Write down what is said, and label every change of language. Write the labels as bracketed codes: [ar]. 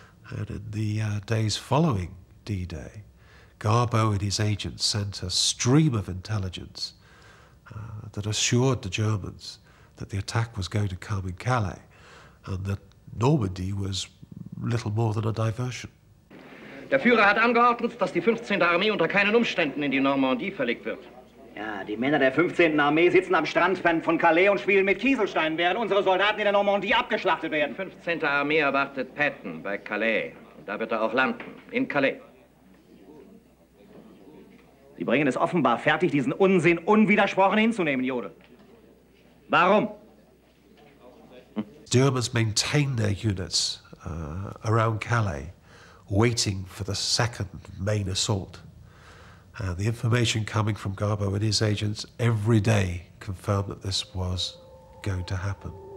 [en] And in the days following D-Day, Garbo and his agents sent a stream of intelligence that assured the Germans that the attack was going to come in Calais and that Normandy was little more than a diversion. [de] Der Führer hat angeordnet, dass die 15. Armee unter keinen Umständen in die Normandie verlegt wird. Ja, die Männer der 15. Armee sitzen am Strand von Calais und spielen mit Kieselsteinen, während unsere Soldaten in der Normandie abgeschlachtet werden. Die 15. Armee erwartet Patton bei Calais. Da wird er auch landen, in Calais. Sie bringen es offenbar fertig, diesen Unsinn unwidersprochen hinzunehmen, Jodl. Warum? [en] Germans maintain their units around Calais, waiting for the second main assault. The information coming from Garbo and his agents every day confirmed that this was going to happen.